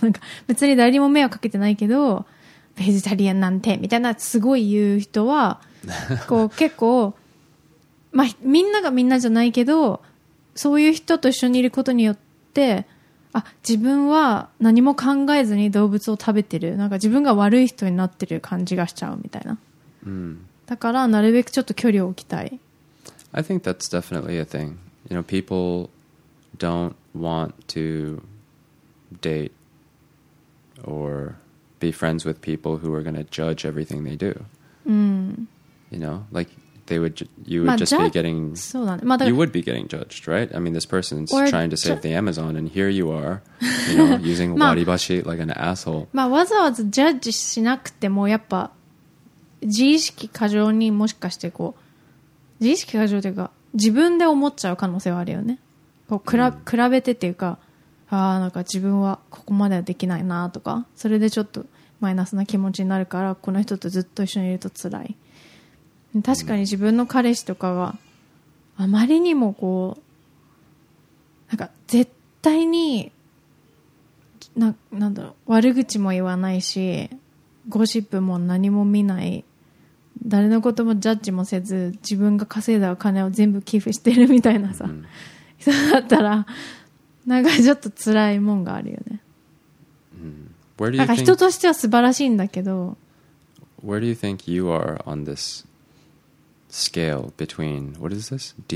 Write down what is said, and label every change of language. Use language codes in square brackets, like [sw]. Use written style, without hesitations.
[ja] なんか別に誰にも迷惑かけてないけど、ベジタリアンなんてみたいなすごい言う人はこう結構、まあ、みんながみんなじゃないけど、そういう人と一緒にいることによって、あ、自分は何も考えずに動物を食べてる、なんか自分が悪い人になってる感じがしちゃうみたいな、だからなるべくちょっと距離を置きたい。 [en] I think that's definitely a thing. You know, people don't want to date orbe friends with people who are going to judge everything they do. You know, like they would, you would just be getting, you would be getting judged, right? I mean, this person's trying to save the Amazon and here you are, you know, using waribashi like an asshole. [ja] まあわざわざジャッジしなくても、やっぱ自意識過剰にもしかしてこう、自意識過剰というか自分で思っちゃう可能性はあるよね。こう比べてっていうか、あ、なんか自分はここまではできないなとか、それでちょっとマイナスな気持ちになるから、この人とずっと一緒にいるとつらい。確かに自分の彼氏とかがあまりにもこうなんか絶対に なんだろう、悪口も言わないし、ゴシップも何も見ない、誰のこともジャッジもせず、自分が稼いだ金を全部寄付してるみたいなさ、人だったらなんかちょっと辛いもんがあるよね。 [en] Where do you think, [ja] なんか人としては素晴らしいんだけど。 [en] Where do you think you are on this scale between, what is this?